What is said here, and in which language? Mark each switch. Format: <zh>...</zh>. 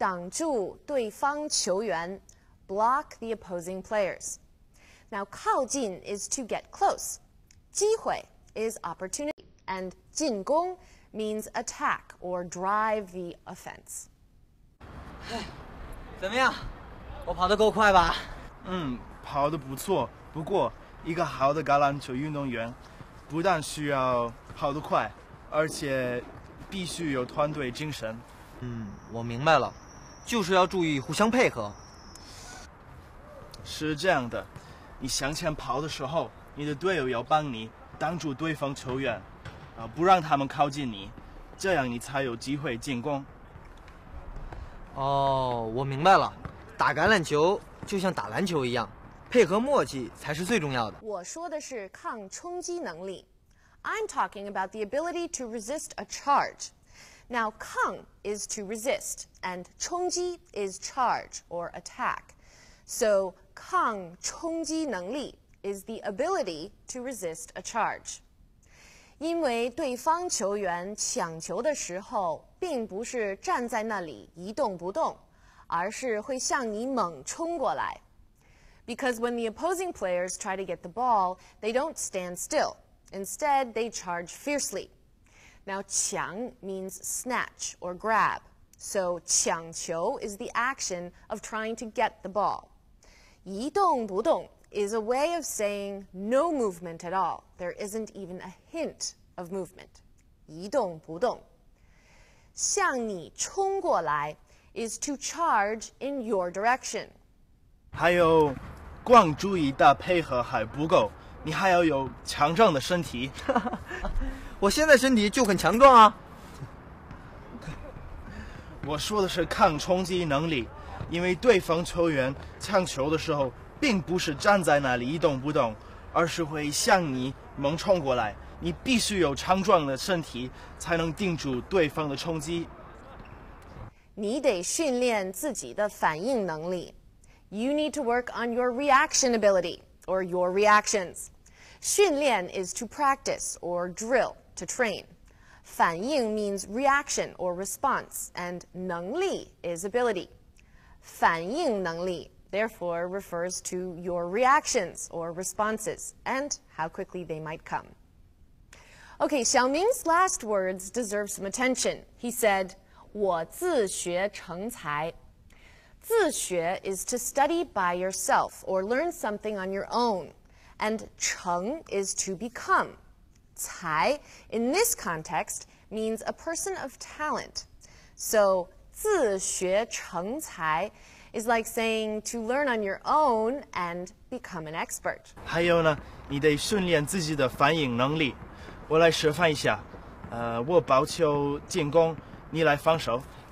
<zh>挡住对方球员,</zh> <en>block the opposing players. Now, 靠近 is to get close, 机会 is opportunity, and 进攻 means attack or drive the offense.</en> <zh>怎么样?我跑得够快吧? 跑得不错,不过 一个好的橄榄球运动员, 不但需要跑得快, 而且必须有团队精神。嗯，我明白了，就是要注意互相配合。是这样的，你向前跑的时候，你的队友要帮你挡住对方球员，不让他们靠近你，这样你才有机会进攻。哦，我明白了，打橄榄球就像打篮球一样，配合默契才是最重要的。我说的是抗冲击能力。</zh> <en>I'm talking about the ability to resist a charge. Now, 抗 is to resist, and 冲击 is charge or attack. So, 抗冲击能力 is the ability to resist a charge.</en> <zh>因为对方球员抢球的时候并不是站在那里一动不动，而是会向你猛冲过来。</zh> <en>Because when the opposing players try to get the ball, they don't stand still. Instead, they charge fiercely. Now, 抢 means snatch or grab. So, 抢球 is the action of trying to get the ball. 一动不动 is a way of saying no movement at all. There isn't even a hint of movement. 一动不动。向你冲过来 is to charge in your direction.</en> <zh>还有光注意到配合还不够。你还要有强壮的身体。我现在身体就很强壮啊。我说的是抗冲击能力，因为对方球员抢球的时候并不是站在那里一动不动，而是会向你猛冲过来，你必须有强壮的身体才能顶住对方的冲击。你得训练自己的反应能力。</zh> <en>You need to work on your reaction abilityOr your reactions. 训练 is to practice or drill, to train. 反应 means reaction or response, and 能力 is ability. 反应能力 therefore refers to your reactions or responses and how quickly they might come. Okay, Xiaoming's last words deserve some attention. He said,</en> <zh>我自学成才。</zh> <en>自学 is to study by yourself or learn something on your own, and 成 is to become. 才 in this context means a person of talent. So 自学成才 is like saying to learn on your own and become an expert.</en> <zh>还有呢，你得训练自己的反应能力。我来示范一下，我保球进攻，你来防守。</zh>